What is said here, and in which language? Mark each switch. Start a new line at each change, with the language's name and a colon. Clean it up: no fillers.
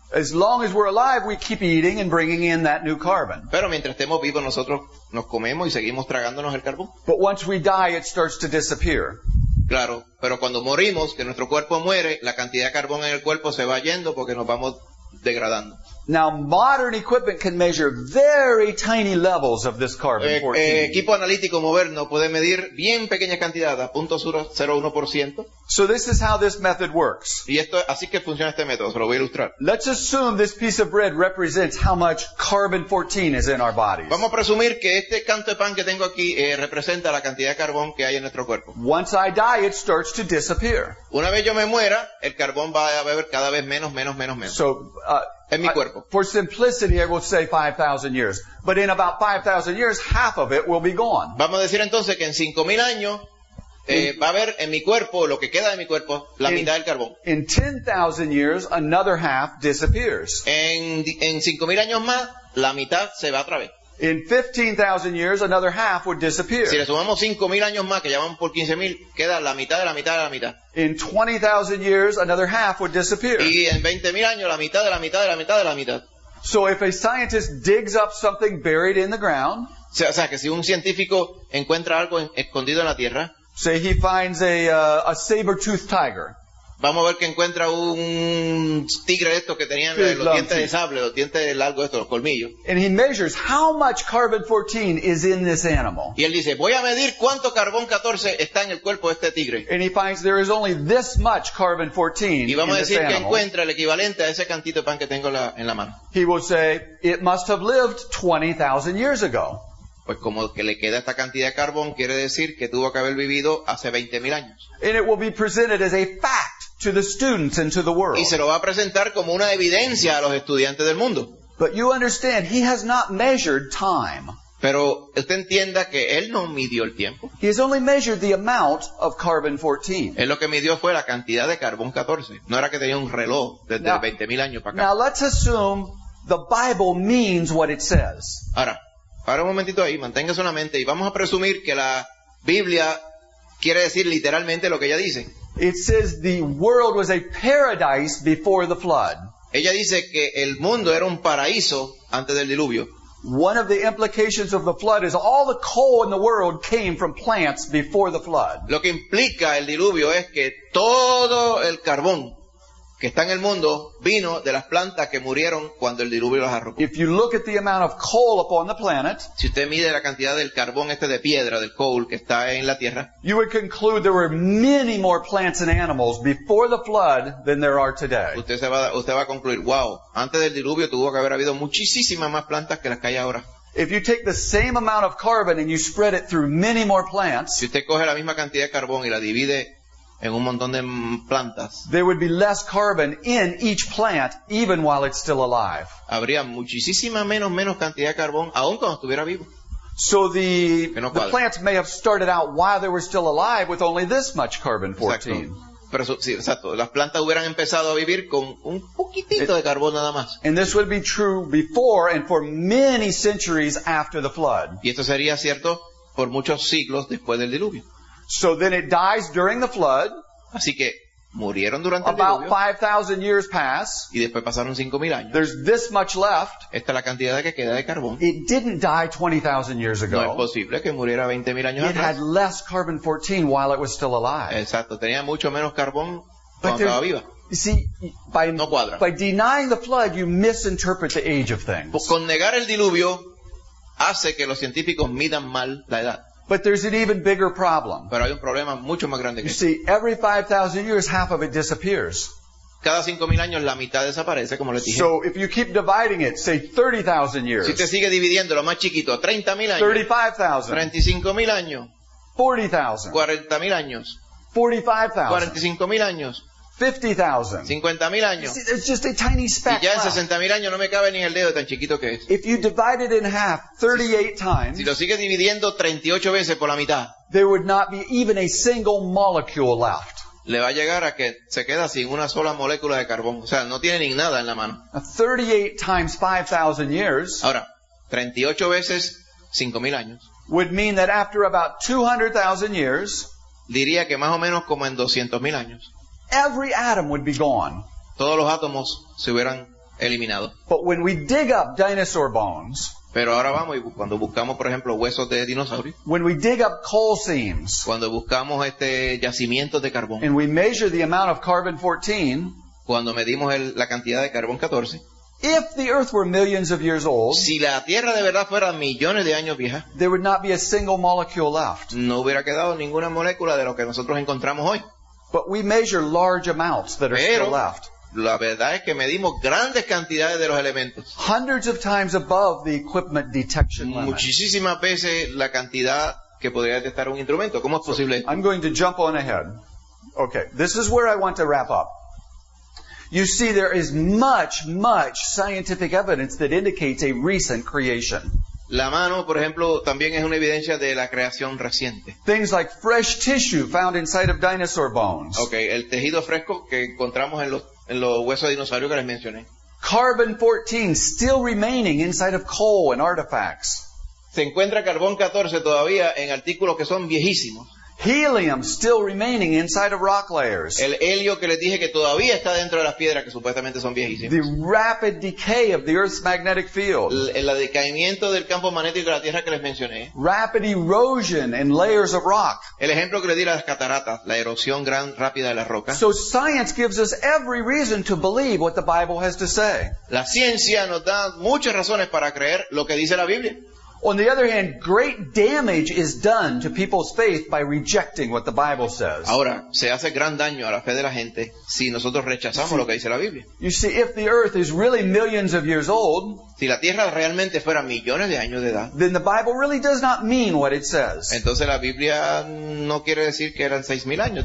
English: As long as we're alive, we keep eating and bringing in that new carbon.
Spanish: Pero mientras estemos vivos nosotros nos comemos y seguimos tragándonos el carbón.
English: But once we die, it starts to disappear.
Spanish: Claro, pero cuando morimos, que nuestro cuerpo muere, la cantidad de carbón en el cuerpo se va yendo porque nos vamos degradando.
English: Now, modern equipment can measure very tiny levels of this carbon 14.
Spanish: Equipo analítico moderno puede medir bien pequeñas cantidades, 0.01%.
English: So this is how this method works.
Spanish: Y esto, así que funciona este método, se lo voy a ilustrar.
English: Let's assume this piece of bread represents how much carbon 14 is in our bodies.
Spanish: Vamos a presumir que este canto de pan que tengo aquí representa la cantidad de carbón que hay en nuestro cuerpo.
English: Once I die, it starts to disappear.
Spanish: Una vez yo me muera, el carbón va a beber cada vez menos.
English: So,
Spanish: en mi cuerpo.
English: For simplicity, I will say 5,000 years. But in about 5,000 years, half of it will be gone.
Spanish: Vamos a decir entonces que en 5,000 años va a haber en mi cuerpo, lo que queda de mi cuerpo, la mitad del carbón.
English: In 10,000 years, another half disappears.
Spanish: En 5,000 años más, la mitad se va otra vez.
English: In 15,000 years, another half would disappear.
Spanish: Si le sumamos 5,000 años más, que ya van por 15,000, queda la mitad de la mitad de la mitad.
English: In 20,000 years, another half would disappear.
Spanish: Y en 20,000 años, la mitad de la mitad de la mitad de la mitad.
English: So if a scientist digs up something buried in the ground,
Spanish: o sea, que si un científico encuentra algo escondido en la tierra,
English: say he finds a saber-toothed tiger.
Spanish: Vamos a ver que encuentra un tigre esto que tenía los dientes de sable, los dientes largos estos, los colmillos.
English: And he measures how much carbon 14 is in this animal.
Spanish: Y él dice, voy a medir cuánto carbón 14 está en el cuerpo de este tigre.
English: And he finds there is only this much carbon 14.
Spanish: Y vamos a decir que animal. Encuentra el equivalente a ese cantito de pan que tengo en la mano.
English: He will say it must have lived 20,000 years ago.
Spanish: Pues como que le queda esta cantidad de carbón, quiere decir que tuvo que haber vivido hace 20,000 años.
English: And it will be presented as a fact to the students and to the world.
Spanish: Y se lo va a presentar como una evidencia a los estudiantes del mundo.
English: But you understand, he has not measured time.
Spanish: Pero usted entienda que él no midió el tiempo.
English: He has only measured the amount of carbon 14.
Spanish: Él lo que midió fue la cantidad de carbón 14. No era que tenía un reloj desde 20,000 años para acá.
English: Now let's assume the Bible means what it says.
Spanish: Ahora un momentito ahí, manténgase una mente y vamos a presumir que la Biblia quiere decir literalmente lo que ella dice.
English: It says the world was a paradise before the flood.
Spanish: Ella dice que el mundo era un paraíso antes del diluvio.
English: One of the implications of the flood is all the coal in the world came from plants before the flood.
Spanish: Lo que implica el diluvio es que todo el carbón que está en el mundo vino de las plantas que murieron cuando el diluvio las arrojó.
English: If you look at the amount of coal upon the planet,
Spanish: si usted mide la cantidad del carbón este de piedra, del coal que está en la tierra,
English: you would conclude there were many more plants and animals before the flood than there are today.
Spanish: Usted va a concluir, wow, antes del diluvio tuvo que haber habido muchísimas más plantas que las que hay ahora.
English: If you take the same amount of carbon and you spread it through many more plants,
Spanish: si usted coge la misma cantidad de carbón y la divide en un montón de plantas,
English: there would be less carbon in each plant even while it's still alive.
Spanish: Habría muchísima menos cantidad de carbón aun cuando estuviera vivo.
English: So the plants may have started out while they were still alive with only this much carbon 14.
Spanish: Exacto. Las plantas hubieran empezado a vivir con un poquitito de carbón nada más.
English: And this would be true before and for many centuries after the flood.
Spanish: Y esto sería cierto por muchos siglos después del diluvio.
English: So then it dies during the flood.
Spanish: Así que murieron durante el
English: diluvio. About 5,000 years pass.
Spanish: Y después pasaron 5,000 años.
English: There's this much left.
Spanish: Esta es la cantidad que queda de carbón.
English: It didn't die 20,000 years ago.
Spanish: No es posible que muriera 20,000 años
English: atrás. It had less carbon 14 while it was still alive.
Spanish: Exacto, tenía mucho menos carbón cuando estaba viva. No cuadra.
English: By denying the flood, you misinterpret the age of things.
Spanish: Pues con negar el diluvio hace que los científicos midan mal la edad.
English: But there's an even bigger problem.
Spanish: Pero hay un problema mucho más grande que este.
English: You see, every 5,000 years, half of it disappears.
Spanish: Cada 5,000 años, la mitad desaparece, como les dije.
English: So if you keep dividing it, say 30,000 years.
Spanish: Si te sigue dividiendo lo más chiquito, 30,000 años.
English: 35,000.
Spanish: 35,000 años.
English: 40,000.
Spanish: 40,000 años.
English: 45,000.
Spanish: 45,000 años.
English: 50,000.
Spanish: 50,000 años.
English: See, there's just a tiny speck.
Spanish: Y ya en 60,000 años no me cabe ni el dedo, tan chiquito que es.
English: If you divide it in half 38 times,
Spanish: si lo sigues dividiendo 38 veces por la mitad,
English: there would not be even a single molecule left.
Spanish: Le va a llegar a que se queda sin una sola molécula de carbón. O sea, no tiene ni nada en la mano.
English: Now, 38 times 5,000 years.
Spanish: Ahora, 38 veces 5,000 años.
English: Would mean that after about 200,000 years,
Spanish: diría que más o menos como en 200,000 años,
English: every atom would be gone.
Spanish: Todos los átomos se hubieran eliminado.
English: But when we dig up dinosaur bones,
Spanish: pero ahora vamos y cuando buscamos, por ejemplo, huesos de dinosaurio,
English: when we dig up coal seams,
Spanish: cuando buscamos este yacimiento de carbón,
English: and we measure the amount of carbon 14,
Spanish: cuando medimos la cantidad de carbón 14,
English: if the earth were millions of years old,
Spanish: si la tierra de verdad fuera millones de años vieja,
English: there would not be a single molecule left.
Spanish: No hubiera quedado ninguna molécula de lo que nosotros encontramos hoy.
English: But we measure large amounts that are still left.
Spanish: La verdad es que medimos grandes cantidades de los elementos.
English: Hundreds of times above the equipment detection limit.
Spanish: Muchísimas veces la cantidad que podría detectar un instrumento. ¿Cómo es posible?
English: I'm going to jump on ahead. Okay, this is where I want to wrap up. You see, there is much, much scientific evidence that indicates a recent creation.
Spanish: La mano, por ejemplo, también es una evidencia de la creación reciente.
English: Things like fresh tissue found inside of dinosaur bones.
Spanish: Okay, el tejido fresco que encontramos en los huesos de dinosaurio que les mencioné.
English: Carbon 14 still remaining inside of coal and artifacts.
Spanish: Se encuentra carbón 14 todavía en artículos que son viejísimos.
English: helium still remaining inside of rock layers.
Spanish: El helio que les dije que todavía está dentro de las piedras que supuestamente son viejísimas.
English: The rapid decay of the Earth's magnetic field.
Spanish: El decaimiento del campo magnético de la Tierra que les mencioné.
English: Rapid erosion in layers of rock.
Spanish: El ejemplo que les di las cataratas, la erosión gran rápida de las rocas.
English: So science gives us every reason to believe what the Bible has to say.
Spanish: La ciencia nos da muchas razones para creer lo que dice la Biblia.
English: On the other hand, great damage is done to people's faith by rejecting what the Bible says.
Spanish: Ahora, se hace gran daño a la fe de la gente si nosotros rechazamos lo que dice la Biblia.
English: You see, if the earth is really millions of years old,
Spanish: si la tierra realmente fuera millones de años de edad,
English: then the Bible really does not mean what it says.
Spanish: Entonces la Biblia no quiere decir que eran 6,000 años.